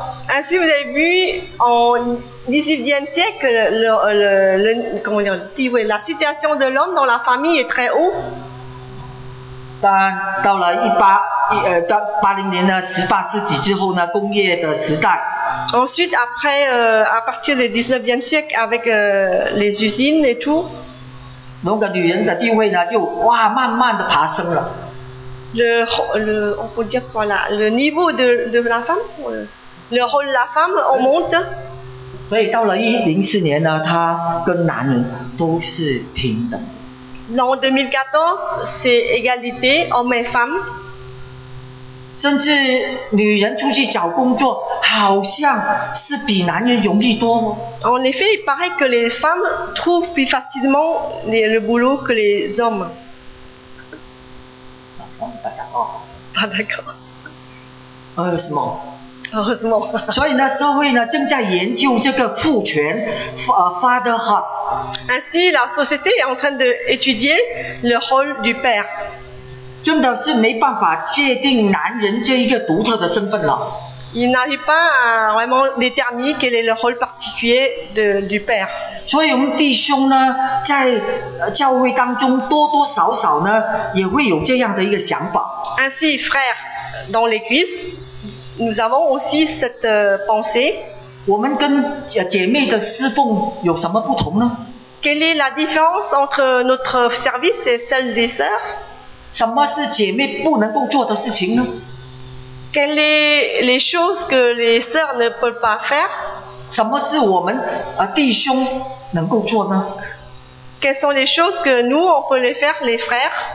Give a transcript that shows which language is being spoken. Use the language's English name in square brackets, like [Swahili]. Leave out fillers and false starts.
[French] Ainsi, vous avez vu en 19e siècle, le comment dire, le 地位, la situation de l'homme dans la famille est très haut. [Chinese] 但到了1880年呢，十八世纪之后呢，工业的时代。 [French] Ensuite, après, à partir du 19e siècle, avec les usines et tout. [Chinese] 那个女人的地位呢，就哇，慢慢的爬升了。 [French] Le on peut dire quoi là, le niveau de la femme, le rôle de la femme on monte. [Chinese] 所以到了2014年呢，她跟男人都是平等。 [French] L'an 2014 c'est égalité homme et femme. [Chinese] 甚至女人出去找工作，好像是比男人容易多。 [French] En effet, il paraît que les femmes trouvent plus facilement le boulot que les hommes. Pas d'accord. Heureusement. Heureusement. [Chinese] 所以呢，社会呢正在研究这个父权，fatherhood. [French] Ainsi, la société est en train d'étudier le rôle du père. [Chinese] 真的是没办法确定男人这一个独特的身份了。 [French] Il n'arrive pas à vraiment déterminer quel est le rôle particulier de, du Père. [Chinese] 所以我们弟兄呢，在教会当中多多少少呢，也会有这样的一个想法。 [French] Ainsi, frères, dans l'église, nous avons aussi cette pensée. [Chinese] 我们跟姐妹的侍奉有什么不同呢？ [French] Quelle est la différence entre notre service et celle des sœurs? [Chinese] 什么是姐妹不能够做的事情呢？ [French] Quelles sont les choses que les sœurs ne peuvent pas faire? [Chinese] 什么是我们弟兄能够做呢？ [French] Quelles sont les choses que nous, on peut les faire, les frères?